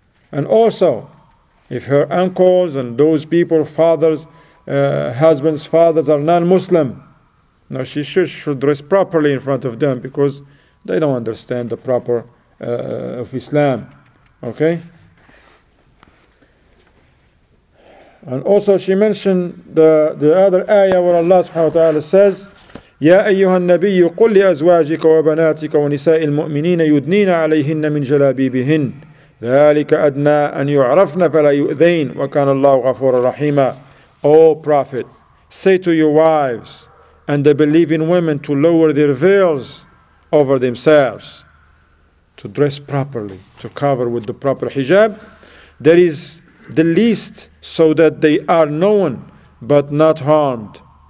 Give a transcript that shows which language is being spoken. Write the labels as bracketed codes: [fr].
[en] And also, if her uncles and those people, fathers, husbands, fathers are non-Muslim, now she should dress properly in front of them because they don't understand the proper of Islam. Okay? And also she mentioned the other ayah where Allah subhanahu wa ta'ala says, [ar] يَا أَيُّهَا النَّبِيُّ قُلْ لِأَزْوَاجِكَ وَبَنَاتِكَ وَنِسَاءِ الْمُؤْمِنِينَ يُدْنِينَ عَلَيْهِنَّ مِنْ جَلَابِيبِهِنْ ذَلِكَ أَدْنَى أَنْ يُعْرَفْنَ فَلَا يُؤْذَيْنَ وَكَانَ اللَّهُ غَفُورًا رَحِيمًا. [en] O Prophet, say to your wives and the believing women to lower their veils over themselves, to dress properly, to cover with the proper hijab. That is the least, so that they are known but not harmed.